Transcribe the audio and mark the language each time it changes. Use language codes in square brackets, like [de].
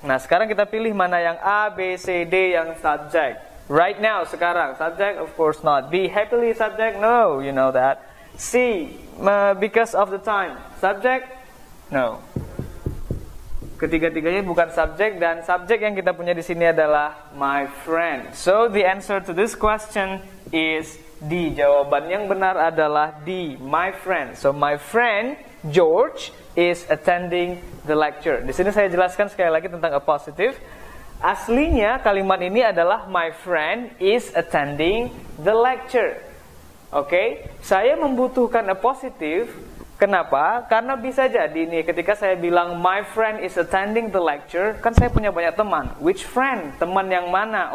[id] Nah, sekarang kita pilih mana yang A, B, C, D yang subject. [en] Right now, [id] sekarang. [en] Subject, of course not. B, happily subject? No, you know that. C, because of the time. Subject? No. [id] Ketiga-tiganya bukan subject, dan subject yang kita punya di sini adalah [en] my friend. So, the answer to this question is D. [id] Jawaban yang benar adalah D, [en] my friend. So, my friend George is attending the lecture. [id] Di sini saya jelaskan sekali lagi tentang [en] a positive. [id] Aslinya kalimat ini adalah [en] my friend is attending the lecture. [id] Oke, saya membutuhkan [en] a positive. [id] Kenapa? Karena bisa jadi nih ketika saya bilang [en] my friend is attending the lecture, [id] kan saya punya banyak teman. [en] Which friend? [id] Teman yang mana?